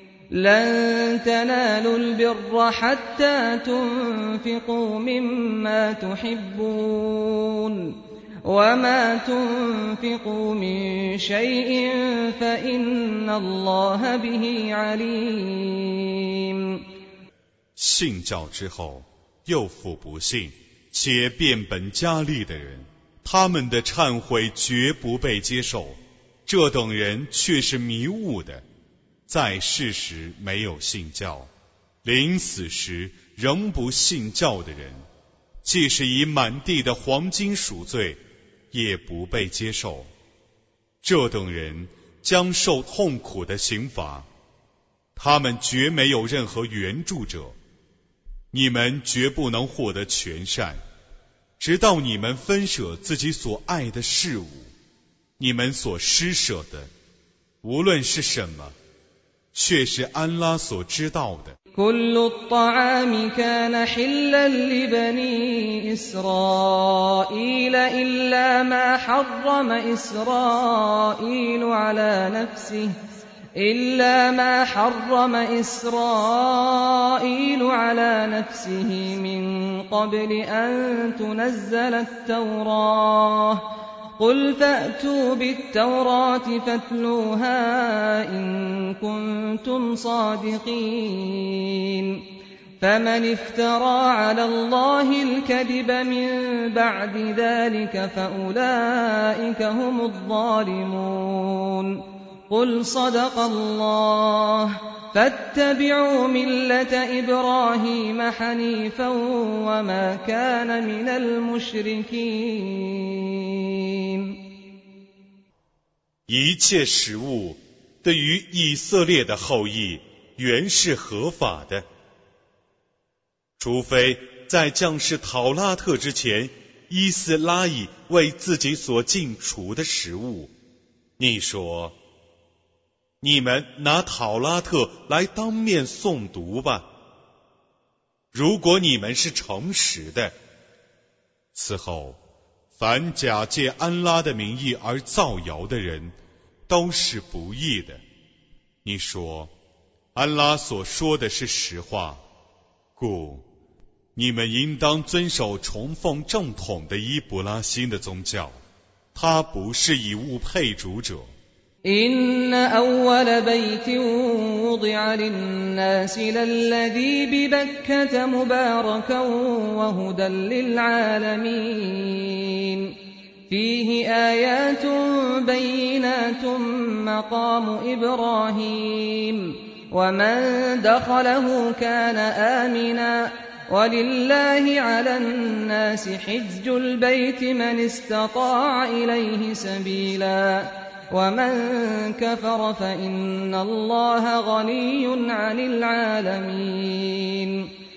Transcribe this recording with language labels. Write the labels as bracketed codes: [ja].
[ar] لن تنالوا البر حتى تنفقوا مما تحبونوما تنفقوا من شيء فإن الله به عليم [zh] 信教之后又复不信且变本加厉的人他们的忏悔绝不被接受这等人却是迷误的在世时没有信教临死时仍不信教的人即是以满地的黄金赎罪也不被接受这等人将受痛苦的刑罚他们绝没有任何援助者你们绝不能获得全善直到你们分舍自己所爱的事物你们所施舍的无论是什么却是安拉所知道的 [ar] كل الطعام كان حلا لبني إسرائيل إلا ما حرم إسرائيل على نفسه إلا ما حرم إسرائيل على نفسه من قبل أن تنزل التوراة قل فأتوا بالتوراة فاتلوها إن كنتم صادقين فمن افترى على الله الكذب من بعد ذلك فأولئك هم الظالمون قل صدق الله فاتبعوا ملة إبراهيم حنيفا وما كان من المشركين [zh] 一切食物对于以色列的后裔原是合法的除非在将士陶拉特之前伊斯拉以为自己所禁除的食物你说你们拿陶拉特来当面诵读吧如果你们是诚实的此后凡假借安拉的名义而造谣的人都是不义的。你说，安拉所说的是实话，故你们应当遵守崇奉正统的伊布拉欣的宗教，他不是以物配主者。 [ar] إن أول بيت وضع للناس للذي ببكة مباركا وهدى للعالمين فيه آيات بينات مقام إبراهيم ومن دخله كان آمنا ولله على الناس حج البيت من استطاع إليه سبيلاوَمَنْ كَفَرَ فَإِنَّ اللَّهَ غَنِيٌّ عَنِ الْعَالَمِينَ